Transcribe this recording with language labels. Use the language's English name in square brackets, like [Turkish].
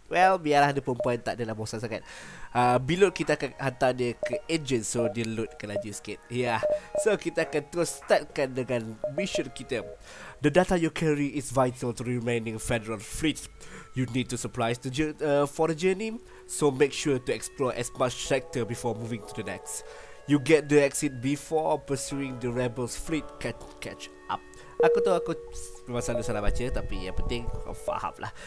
[Malay] Well, biarlah dia perempuan, tak adalah bosan sangat. B-Load kita akan hantar dia ke engine, so dia loadkan laju sikit. Yeah. So kita akan terus startkan dengan mission kita. [English] The data you carry is vital to remaining federal fleet. You need to supplies for the journey, so make sure to explore as much sector before moving to the next. You get the exit before pursuing the rebels' fleet catch up. [Malay] Aku tahu aku memang salah baca, tapi yang penting kau faham lah.